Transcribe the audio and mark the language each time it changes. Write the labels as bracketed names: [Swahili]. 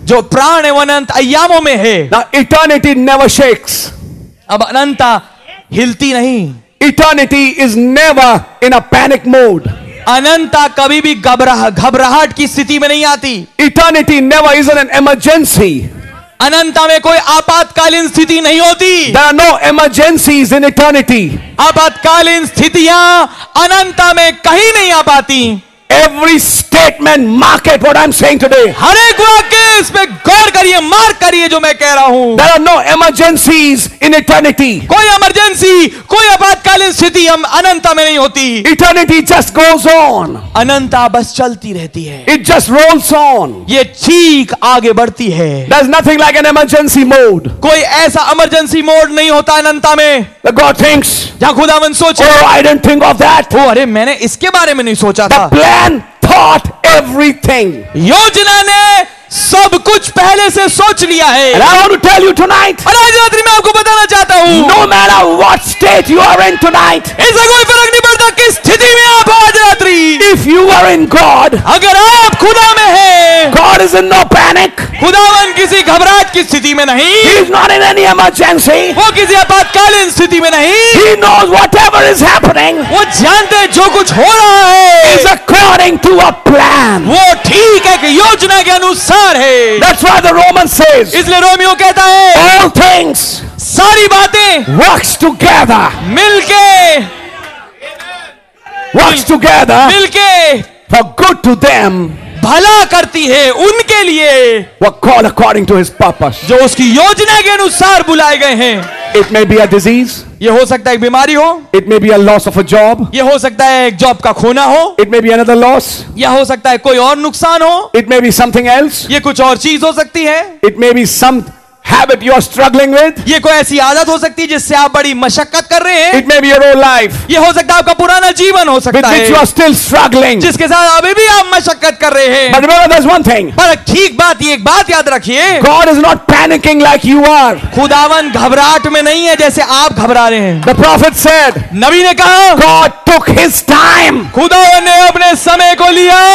[Hindi] जो प्राण है वो अनंत अयामों में है. [English] Now eternity never shakes. [Hindi] अब अनंता हिलती नहीं. [English] Eternity is never in a panic mode. [Hindi] अनंता कभी भी घबराहट की स्थिति में नहीं आती. [English] Eternity never is an emergency. [Hindi] अनंता में कोई आपातकालीन स्थिति नहीं होती. [English] There are no emergencies in eternity. [Hindi] आपातकालीन स्थितियां अनंता में कहीं नहीं आ पाती. [English] Every statement mark it what I am saying today. [Hindi] हर एक वाक्य इस पे गौर करिए, मार्क करिए जो मैं कह रहा हूं. [English] There are no emergencies in eternity. [Hindi] कोई इमरजेंसी, कोई आपातकालीन स्थिति हम अनंता में नहीं होती. [English] Eternity just goes on. [Hindi] अनंता बस चलती रहती है. [English] It just rolls on. [Hindi] ये ठीक आगे बढ़ती है. [English] There is nothing like an emergency mode. [Hindi] कोई ऐसा इमरजेंसी मोड नहीं होता अनंता में. [English] The god thinks. [Hindi] जहां खुदावन सोचे. [English] Oh I didn't think of that. [Hindi] ओ अरे मैंने इसके बारे में नहीं सोचा था. [English] Plan thought everything. [Hindi] योजना ने सब कुछ पहले से सोच लिया है. [English] And I want to tell you tonight. [Hindi] और आज रात्रि मैं आपको बताना चाहता हूँ. [English] No matter what state you are in tonight. [Hindi] इससे कोई फर्क नहीं पड़ता किस स्थिति में आप आज रात्रि. [English] If you are in God, [Hindi] अगर आप खुदा में हैं, [English] God is in no panic, [Hindi] खुदावन किसी घबराहट की स्थिति में नहीं, [English] He is not in any emergency, [Hindi] वो किसी आपातकालीन स्थिति में नहीं, [English] He knows whatever is happening, [Hindi] वो जानते हैं जो कुछ हो रहा है, [English] is according to a plan, [Hindi] वो ठीक है कि योजना के अनुसार है, [English] that's why the Romans says, [Hindi] इसलिए रोमियो कहता है, [English] all things, [Hindi] सारी बातें, [English] works together, [Hindi] मिलके [English] Works together [Hindi] मिलके [English] for good to them [Hindi] भला करती है उनके लिए [English] what call according to his purpose [Hindi] जो उसकी योजना के अनुसार बुलाए गए हैं [English] it may be a disease [Hindi] ये हो सकता है एक बीमारी हो [English] it may be a loss of a job [Hindi] ये हो सकता है एक जॉब का खोना हो [English] it may be another loss [Hindi] या हो सकता है कोई और नुकसान हो [English] it may be something else [Hindi] ये कुछ और चीज हो सकती है [English] it may be some Habit you are struggling with. [Hindi] ये कोई ऐसी आदत हो सकती है जिससे आप बड़ी मशक्कत कर रहे हैं. [English] It may be your old life. [Hindi] ये हो सकता है आपका पुराना जीवन हो सकता है. [English] With which you are still struggling. [Hindi] जिसके साथ अभी भी आप मशक्कत कर रहे हैं. [English] But remember there's one thing. [Hindi] पर ठीक बात ये एक बात याद रखिए. [English] God is not panicking like you are. [Hindi] खुदावन घबराहट में नहीं है जैसे आप घबरा रहे हैं. [English] The prophet said. [Hindi] नबी ने कहा. [English] God took His time. [Hindi] खुदावन ने अपने समय को लिया.